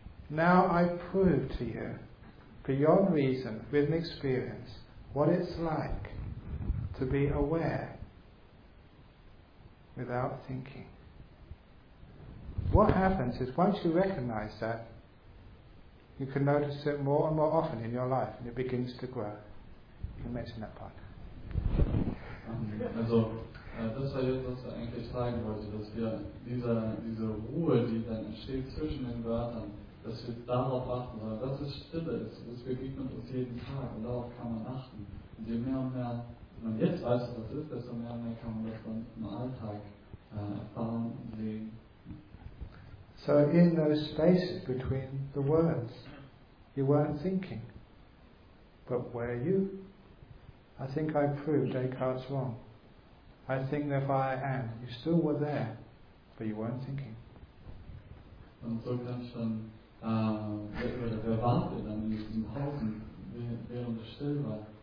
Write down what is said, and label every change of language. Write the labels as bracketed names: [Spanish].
[English] Now I prove to you, beyond reason, with an experience, what it's like to be aware without thinking. What happens is once you recognize that, you can notice it more and more often in your life, and it begins to grow. You mentioned that part. [German] Also, das war jetzt, was wir eigentlich sagen wollten, dass wir diese Ruhe, die dann entsteht zwischen den Wörtern, dass wir darauf achten sollen, dass es Stille ist. Das begegnet uns jeden Tag, und darauf kann man achten. Und je mehr und mehr man jetzt weiß, was das ist, desto mehr und mehr kann man das dann im Alltag erfahren und sehen. [English] So in those spaces between the words, you weren't thinking. But were you? I think I proved Descartes wrong. I think that I am. You still were there, but you weren't thinking. [German] Und so kann ich dann, wer war denn dann in diesem Haus, während es still war?